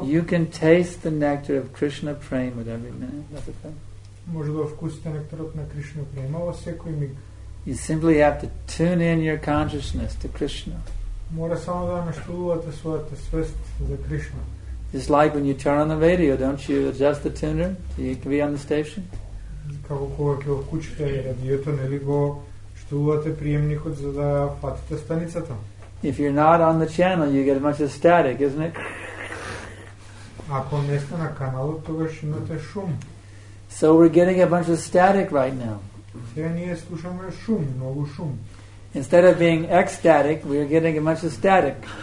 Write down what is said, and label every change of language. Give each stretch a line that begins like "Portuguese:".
English: you can taste the nectar of Krishna prema at every minute.
Macedonian: Може да вкусите нектарот на Кришна према во секој миг.
English: You simply have to tune in your consciousness to Krishna.
Macedonian: Мора само да настроите својата свест за Кришна.
English: Just like when you turn on the radio, don't you adjust the tuner so you can be on the station?
Macedonian: како кога ќе го вклучите радиото, нели го штувате приемникот за да фатите станицата.
English: If you're not on the channel, you get a bunch of static, isn't it?
Macedonian: Ако не сте на каналот, тогаш имате шум.
English: So we're getting a bunch of static right now.
Macedonian: Сега ние слушаме шум, многу шум.
English: Instead of being ecstatic, we are getting a bunch of static.